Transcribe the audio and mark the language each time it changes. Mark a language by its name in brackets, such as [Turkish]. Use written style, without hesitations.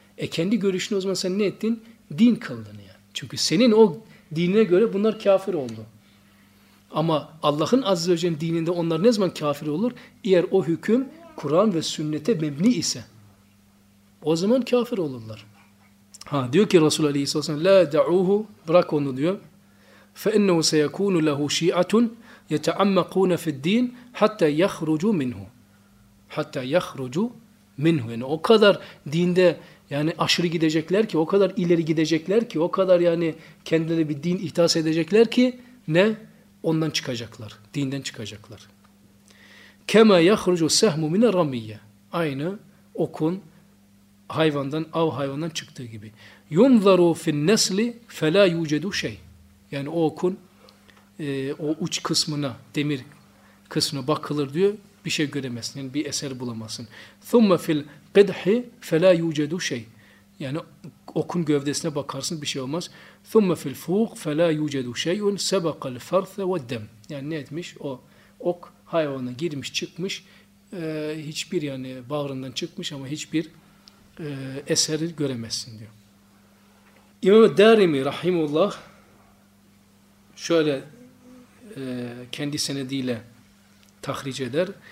[Turkish] Kendi görüşünü o zaman sen ne ettin? Din kıldın yani. Çünkü senin o dinine göre bunlar kafir oldu. Ama Allah'ın Azze ve Celle'nin dininde onlar ne zaman kafir olur? Eğer o hüküm Kur'an ve sünnete mebni ise. O zaman kafir olurlar. Ha diyor ki Resulullah Aleyhisselatü Vesselam [Arabic] la da'uhu [Turkish] bırak onu diyor. [Arabic] فَاِنَّهُ سَيَكُونُ لَهُ شِيَعَةٌ يَتَعَمَّقُونَ فِي الدِّينِ حَتَّى يَخْرُجُوا مِنْهُ hatta yahrucu minhu. [Turkish] Yani o kadar dinde yani aşırı gidecekler ki, o kadar ileri gidecekler ki, o kadar yani kendileri bir din ihdas edecekler ki ne? Ondan çıkacaklar. Dinden çıkacaklar. [Arabic] Kema yahrucu sehmu mine ramiyye. [Turkish] Aynı okun av hayvandan çıktığı gibi. [Arabic] Yunzaru fin nesli fela yucedu şey. [Turkish] Yani o okun o uç kısmına, demir kısmına bakılır diyor. Bir şey göremezsin, yani bir eser bulamazsın. [Arabic] ثُمَّ فِي الْقِدْحِ فَلَا يُوْجَدُ شَيْ [Turkish] yani okun gövdesine bakarsın, bir şey olmaz. [Arabic] ثُمَّ فِي الْفُوْقْ فَلَا يُوْجَدُ شَيْءٌ سَبَقَ الْفَرْثَ وَالْدَمْ [Turkish] yani ne etmiş? O ok hayvana girmiş, çıkmış. Hiçbir yani bağrından çıkmış ama hiçbir eseri göremezsin diyor. İmam-ı Darimi Rahimullah şöyle kendi senediyle tahric eder.